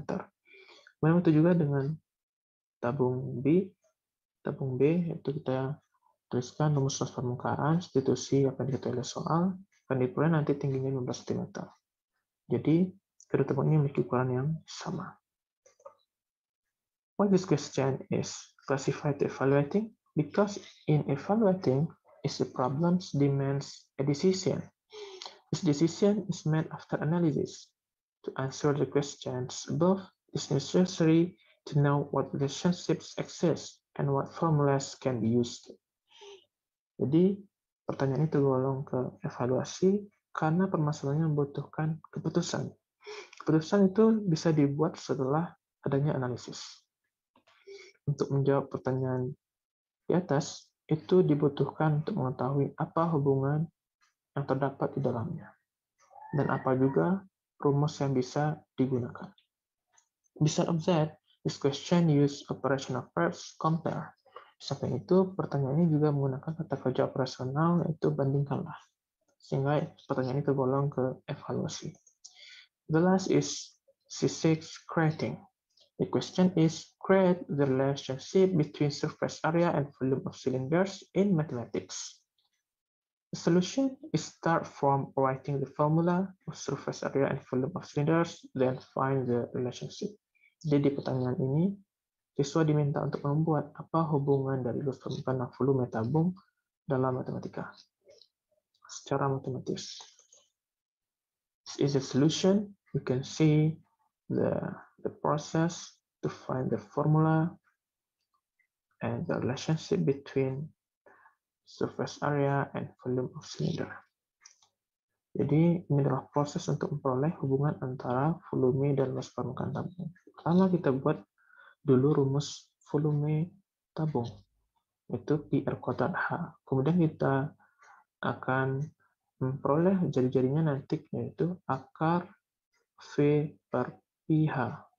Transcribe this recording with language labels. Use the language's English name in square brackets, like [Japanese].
[Indonesian] Kemudian itu juga dengan tabung B, itu kita tuliskan rumus luas permukaan, substitusi apa yang diketahui oleh soal, akan diperoleh nanti tingginya 15 cm. Jadi, kedua tabungnya memiliki ukuran yang sama. [English] What this question is classified evaluating? Because in evaluating, is the problem demands a decision. This decision is made after analysis. To answer the questions above, it is necessary to know what relationships exist and what formulas can be used. [Indonesian] Jadi, pertanyaan itu tergolong ke evaluasi karena permasalahannya membutuhkan keputusan. Keputusan itu bisa dibuat setelah adanya analisis. Untuk menjawab pertanyaan di atas, itu dibutuhkan untuk mengetahui apa hubungan yang terdapat di dalamnya dan apa juga rumus yang bisa digunakan. [English] Besides of that, this question use operational verbs compare. [Indonesian] Sampai itu, pertanyaan ini juga menggunakan kata kerja operasional yaitu bandingkanlah. Sehingga pertanyaan ini tergolong ke evaluasi. [English] The last is C6 creating. The question is create the relationship between surface area and volume of cylinders in mathematics. The solution is start from writing the formula of surface area and volume of cylinders, then find the relationship. [Indonesian] Jadi pertanyaan ini, siswa diminta untuk membuat apa hubungan dari luas permukaan dan volume tabung dalam matematika secara matematis. [English] is a solution. You can see the process to find the formula and the relationship between surface area and volume of cylinder. [Indonesian] Jadi ini adalah proses untuk memperoleh hubungan antara volume dan luas permukaan tabung. Pertama kita buat dulu rumus volume tabung, yaitu PR kuadrat H. Kemudian kita akan memperoleh jari-jarinya nanti, yaitu akar V per PH.